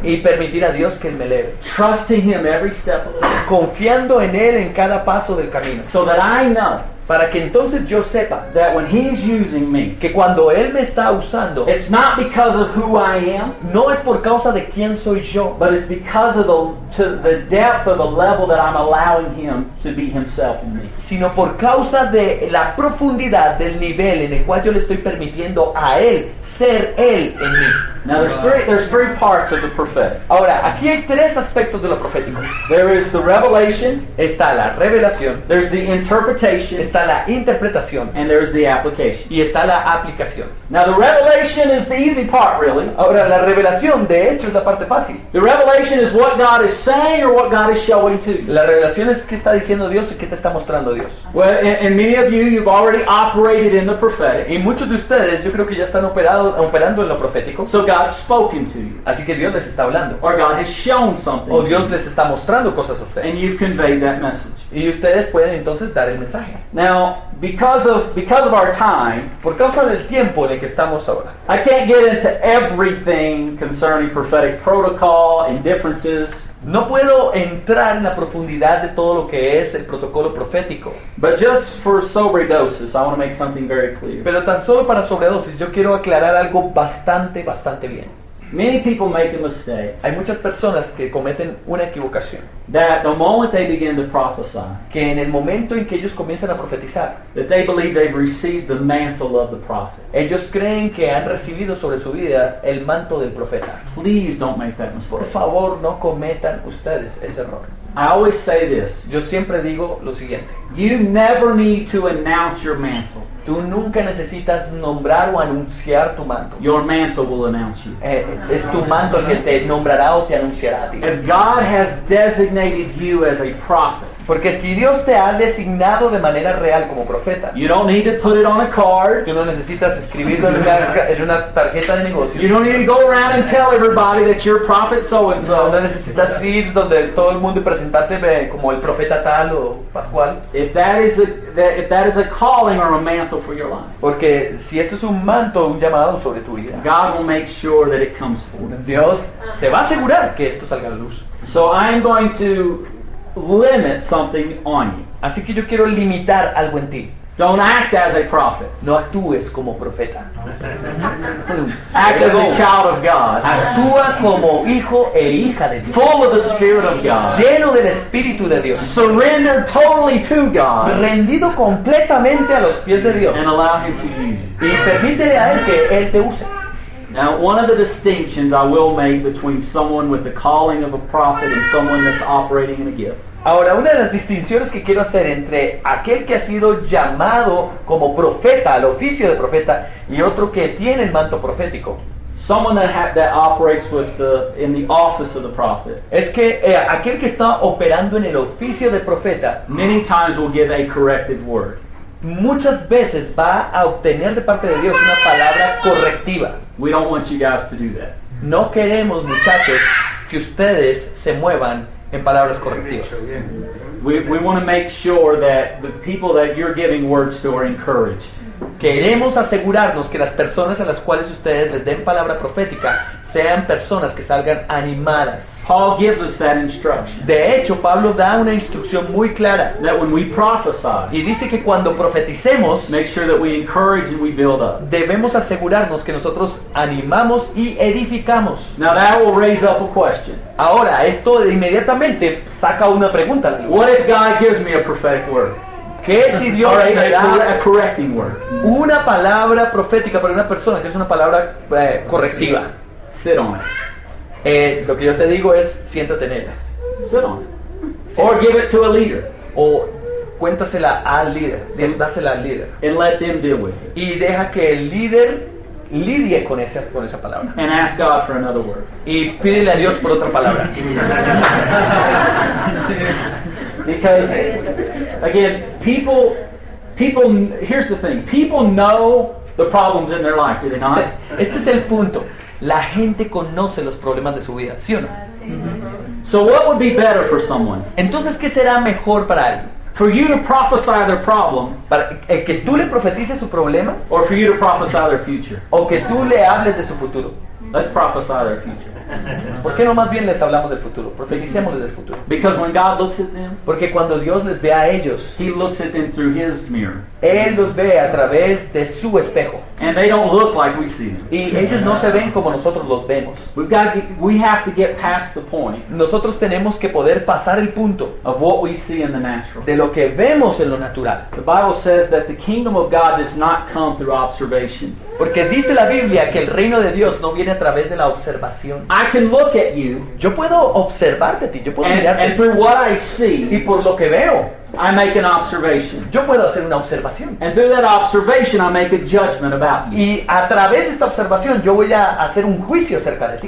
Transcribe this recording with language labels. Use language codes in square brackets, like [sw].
[es] Y permitir a Dios que me eleve. [en] Trusting Him every step of the way. [es] Confiando en Él en cada paso del camino. [en] So that I know. [es] Para que entonces yo sepa [en] that when he's using me, [es] que cuando él me está usando, [en] it's not because of who I am, [es] no es por causa de quién soy yo, [en] but it's because of the depth of the level that I'm allowing him to be himself in me, [es] sino por causa de la profundidad del nivel en el cual yo le estoy permitiendo a él ser él en mí. [en] Now there's three parts of the prophetic. [es] Ahora, aquí hay tres aspectos de lo profético. [en] There is the revelation, [es] está la revelación. [en] There's the interpretation, [es] está la interpretación. [en] And there's the application, [es] y está la aplicación. [en] Now the revelation is the easy part, really. [es] Ahora, la revelación de hecho es la parte fácil. [en] The revelation is what God is saying or what God is showing to you. [es] La revelación es qué está diciendo Dios y qué te está mostrando Dios. [en] Well, and many of you, you've already operated in the prophetic. [es] Y muchos de ustedes, yo creo que ya están operando en lo profético. [en] So God spoken to you. [es] Así que Dios les está hablando. [en] Or God has shown something. [es] O Dios les está mostrando cosas a ustedes. [en] And you've conveyed that message. [es] Y ustedes pueden entonces dar el mensaje. [en] Now, because of our time, [es] por causa del tiempo en el que estamos ahora, [en] I can't get into everything concerning prophetic protocol and differences. [es] No puedo entrar en la profundidad de todo lo que es el protocolo profético. [en] But just for sobredosis, I want to make something very clear. [es] Pero tan solo para sobredosis, yo quiero aclarar algo bastante, bastante bien. [en] Many people make a mistake. [es] Hay muchas personas que cometen una equivocación. [en] That the moment they begin to prophesy, [es] que en el momento en que ellos comienzan a profetizar, [en] that they believe they've received the mantle of the prophet. [es] Ellos creen que han recibido sobre su vida el manto del profeta. [en] Please don't make that mistake. [es] Por favor, no cometan ustedes ese error. [en] I always say this. [es] Yo siempre digo lo siguiente. [en] You never need to announce your mantle. [es] Tú nunca necesitas nombrar o anunciar tu manto. [en] Your mantle will announce you. [es] Es tu manto que te nombrará o te anunciará a ti. [en] If God has designated you as a prophet, [es] porque si Dios te ha designado de manera real como profeta, [en] you don't need to put it on a card. [es] Tú no necesitas escribirlo en una tarjeta de negocio. [en] You don't need to go around and tell everybody that you're prophet so and so. [es] No necesitas ir donde todo el mundo y presentarte como el profeta tal o pascual. [en] If that is a calling or a mantle for your life, [es] porque si esto es un manto, un llamado sobre tu vida, [en] God will make sure that it comes forth. [es] Dios se va a asegurar que esto salga a la luz. [en] So I'm going to limit something on you. [es] Así que yo quiero limitar algo en ti. [en] Don't act as a prophet. [es] No actúes como profeta. [en] Act as a child of God. [es] Actúa como hijo e hija de Dios. [en] Full of the Spirit of God. [es] Lleno del Espíritu de Dios. [en] Surrender totally to God. [es] Rendido completamente a los pies de Dios. [en] And allow Him to use you. [es] Y permítele a Él que Él te use. [en] Now, one of the distinctions I will make between someone with the calling of a prophet and someone that's operating in a gift. [es] Ahora, una de las distinciones que quiero hacer entre aquel que ha sido llamado como profeta, al oficio de profeta, y otro que tiene el manto profético. [en] Someone that operates in the office of the prophet. [es] Es que aquel que está operando en el oficio de profeta, [en] many times will give a corrected word. [es] Muchas veces va a obtener de parte de Dios una palabra correctiva. [en] We don't want you guys to do that. [es] No queremos, muchachos, que ustedes se muevan en palabras correctivas. [en] We want to make sure that the people that you're giving words to are encouraged. [es] Queremos asegurarnos que las personas a las cuales ustedes les den palabra profética sean personas que salgan animadas. [en] Paul gives us that instruction. [es] De hecho, Pablo da una instrucción muy clara. [en] That when we prophesy, [es] y dice que cuando profeticemos, [en] make sure that we encourage and we build up. [es] Debemos asegurarnos que nosotros animamos y edificamos. [en] Now that will raise up a question. [es] Ahora, esto inmediatamente saca una pregunta. [en] What if God gives me a prophetic word? [es] ¿Qué si Dios me da [en] a correcting word? [es] Una palabra profética para una persona que es una palabra correctiva. [en] Sit on it. [es] Lo que yo te digo es siéntate en ella. [en] Sit on. Or give it to a leader. [es] O cuéntasela al líder. Dásela al líder. [en] And let them deal with it. [es] Y deja que el líder lidie con esa palabra. [en] And ask God for another word. [es] Y pídele a Dios por otra palabra. [en] Because again, people, here's the thing. People know the problems in their life, do they not? [es] Este es el punto. La gente conoce los problemas de su vida, ¿sí o no? Mm-hmm. [en] So what would be better for someone? [es] Entonces, ¿qué será mejor para alguien? [en] For you to prophesy their problem, [es] para que tú le profetices su problema, [en] or for you to prophesy their future, [es] o que tú le hables de su futuro. [en] Let's prophesy their future. [es] ¿Por qué no más bien les hablamos del futuro? Profeticémosles del futuro. [en] Because when God looks at them, [es] porque cuando Dios les ve a ellos, [en] He looks at them through His mirror. [es] Él los ve a través de su espejo. [en] And they don't look like we see them. [es] Y ellos no se ven como nosotros los vemos. [en] We have to get past the point. [es] Nosotros tenemos que poder pasar el punto [en] of what we see in the natural. [es] De lo que vemos en lo natural. [en] The Bible says that the kingdom of God does not come through observation. [es] Porque dice la Biblia que el reino de Dios no viene a través de la observación. [en] I can look at you. [es] Yo puedo observarte a ti. Yo puedo [en] and, [es] mirarte. [en] And through what I see. [es] Y por lo que veo. [en] I make an observation. [es] Yo puedo hacer una observación. [en] And through that observation, I make a judgment about you. [es] Y a través de esta observación, yo voy a hacer un juicio acerca de ti.